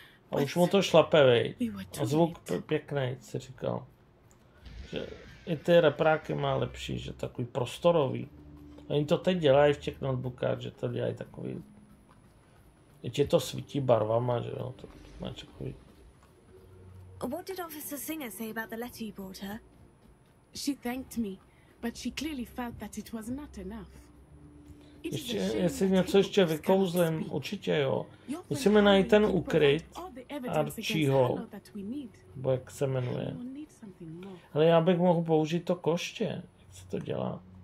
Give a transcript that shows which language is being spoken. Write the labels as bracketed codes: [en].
[cs] A už mu to šlape, vej. A zvuk pěkný, si říkal. Že i ty repráky má lepší, že takový prostorový. Oni to teď dělají v těch notebookách, že to dělají takový... Teď je to svítí barvama, že jo, to má takový... [en] What did Officer Singer say about the letter you brought her? She thanked me, but she clearly felt that it was not enough. [cs] Ještě, jestli něco ještě vykouzlím, určitě jo. Musíme najít ten ukryt Archieho, nebo jak se jmenuje. Ale já bych mohl použít to koště, jak se to dělá.